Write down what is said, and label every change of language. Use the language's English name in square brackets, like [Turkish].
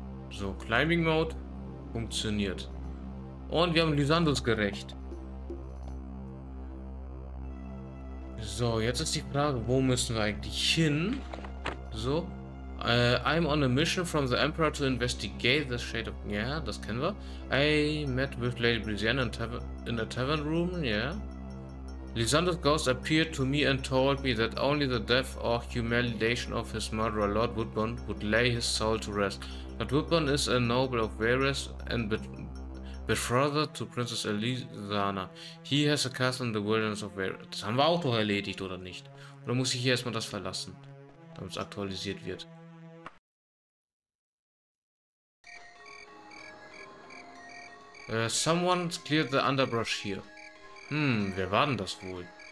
[German] So, Climbing Mode funktioniert. Und wir haben Lysandus gerecht. So, jetzt ist die Frage, wo müssen wir eigentlich hin? So. [English] I'm on a mission from the Emperor to investigate the Shade of... [German] Ja, yeah, das kennen wir. [English] I met with Lady Brisienne in a tavern room, yeah. Lysander's ghost appeared to me and told me that only the death or humiliation of his murderer, Lord Woodburn, would lay his soul to rest. But Woodburn is a noble of Varys and betrothed to Princess Elisana. He has a castle in the wilderness of Varys. [German] Das haben wir auch doch erledigt, oder nicht? Oder muss ich hier erstmal das verlassen, damit es aktualisiert wird? [English] Someone's cleared the underbrush here. Hm, [German] wer war denn das wohl?